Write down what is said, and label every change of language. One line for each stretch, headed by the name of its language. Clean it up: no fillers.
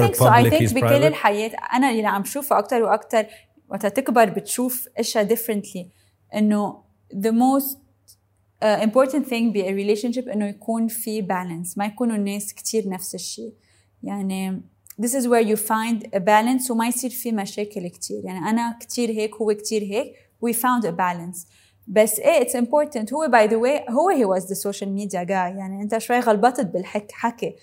English: I think
Arabic: بكل الحياة أنا اللي عم شوفه أكتر وأكتر وتتكبر بتشوف إشي differently، إنه
English: the most important thing be a relationship
Arabic: إنه يكون في balance، ما يكونوا الناس كتير نفس الشيء. يعني
English: this is where you find a balance
Arabic: وما يصير في مشاكل كتير. يعني أنا كتير هيك هو كتير هيك،
English: we found a balance.
Arabic: بس إيه
English: it's important. هو by the way هو he was the social media guy.
Arabic: يعني أنت شوي غلبطت بالحكي حكي.